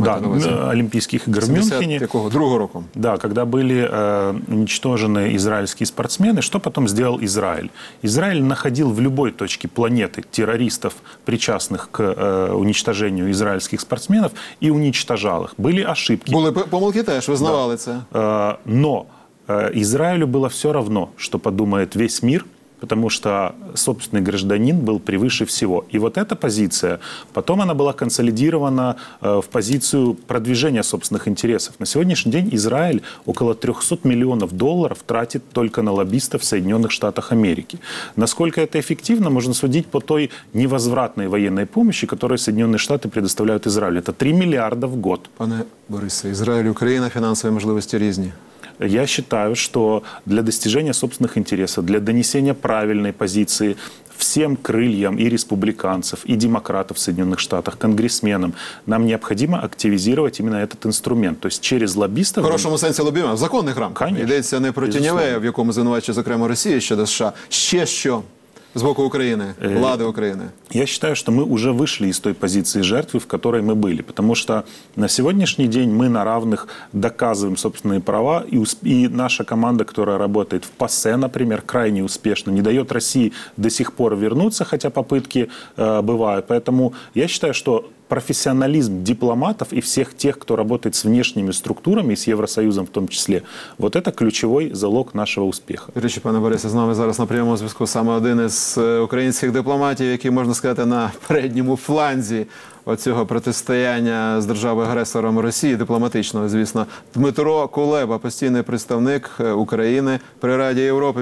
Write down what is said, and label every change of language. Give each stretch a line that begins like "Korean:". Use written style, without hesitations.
Ukrainian: Да, Олімпійських ігор в Мюнхені. Якого? Другого року. Да, коли були уничтожені ізраїльські спортсмени, що потім зробив Ізраїль? Ізраїль знаходив в любой точці планети терористів, причастних к уничтоженню ізраїльських спортсменів, і уничтожав їх. Були ошибки. Були помилки теж, визнавали да. Це.
Russian: Но Израилю было все равно, что подумает весь мир, потому что собственный гражданин был превыше всего. И вот эта позиция, потом она была консолидирована в позицию продвижения собственных интересов. На сегодняшний день Израиль около 300 миллионов долларов тратит только на лоббистов в Соединенных Штатах Америки. Насколько это эффективно, можно судить по той невозвратной военной помощи, которую Соединенные Штаты предоставляют Израилю. Это 3 миллиарда в год. Пане Борисе, Израиль и Украина финансовые возможности разные. Я считаю, что для достижения собственных интересов, для донесения правильной позиции всем крыльям и республиканцев, и демократов в Соединенных Штатах, конгрессменам, нам необходимо активизировать именно этот инструмент. То есть через лоббистов... В хорошем смысле лоббистов, в законных рамках. Конечно.
Ukrainian: Идеться не про теневые, в якому звинувачує, зокрема, Россия щодо США. Ще що? З боку України, влади України.
Russian: Я считаю, что мы уже вышли из той позиции жертвы, в которой мы были. Потому что на сегодняшний день мы на равных доказываем собственные права. И наша команда, которая работает в ПАСЕ, например, крайне успешно, не дает России до сих пор вернуться, хотя попытки бывают. Поэтому я считаю, что профессионализм дипломатов и всех тех, кто работает с внешними структурами, с Евросоюзом в том числе, вот это ключевой залог нашего успеха.
Ukrainian: Речі, пане Борисе, з нами зараз на прямому зв'язку саме один із українських дипломатів, який, можна сказати, на передньому фланзі оцього протистояння з державою-агресором Росії, дипломатичного, звісно. Дмитро Кулеба, постійний представник України при Раді Європи.